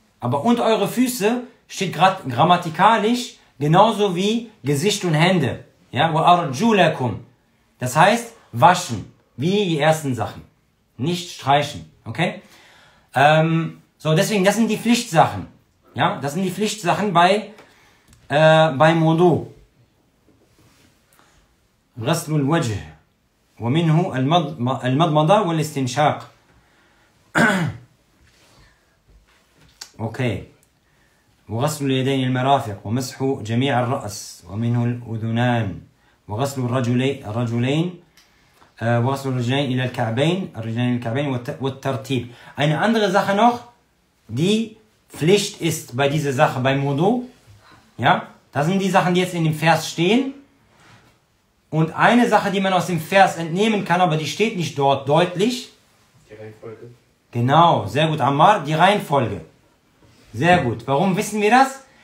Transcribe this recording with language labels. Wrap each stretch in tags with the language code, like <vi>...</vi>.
<de>Aber und eure Füße steht gerade grammatikalisch genauso wie Gesicht und Hände. Ja, wa arjulakum. Das heißt, waschen, wie die ersten Sachen, nicht streichen, okay? So, deswegen, das sind die Pflichtsachen, ja? Das sind die Pflichtsachen bei Wudu.</de> <ar>غسل الوجه ومنه المضمضة والاستنشاق.</ar> <de>Okay.</de> <ar>وغسل اليدين المرافق ومسح جميع الرأس ومنه الأذنان. وغسل الرجلين وغسل الرجلين الى الكعبين الرجلين الى الكعبين والترتيب.</ar> <de>Eine andere Sache noch, die Pflicht ist bei dieser Sache bei Wudu. Ja, das sind die Sachen, die jetzt in dem Vers stehen. Und eine Sache, die man aus dem Vers entnehmen kann, aber die steht nicht dort deutlich, die Reihenfolge. Genau, sehr gut, Ammar, die Reihenfolge. Sehr gut. Warum wissen wir das?</de>